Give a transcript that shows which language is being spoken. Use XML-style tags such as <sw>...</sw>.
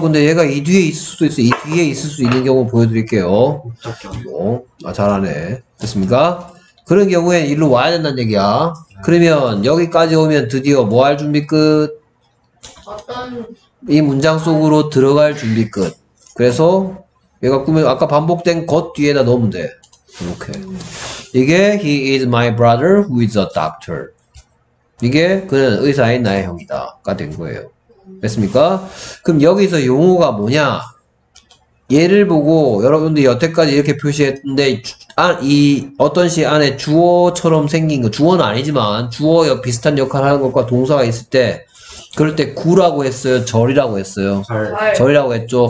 <ko>근데 얘가 이 뒤에 있을 수도 있어. 이 뒤에 있을 수 있는 경우 보여드릴게요. 아, 잘하네. 됐습니까? 그런 경우에 일로 와야 된다는 얘기야. 네. 그러면 여기까지 오면 드디어 뭐 할 준비 끝? 어떤... 이 문장 속으로 들어갈 준비 끝. 그래서 얘가 꾸면 아까 반복된 것 뒤에다 넣으면 돼. 이렇게. 이게</ko> <en>He is my brother who is a doctor.</en> <ko>이게 그는 의사인 나의 형이다 가 된 거예요. 됐습니까? 그럼 여기서 용어가 뭐냐? 얘를 보고 여러분들 여태까지 이렇게 표시했는데 아, 이 어떤 시 안에 주어처럼 생긴 거 주어는 아니지만 주어 비슷한 역할을 하는 것과 동사가 있을 때 그럴 때 구라고 했어요? 절이라고 했어요? 절이라고 했죠.</ko>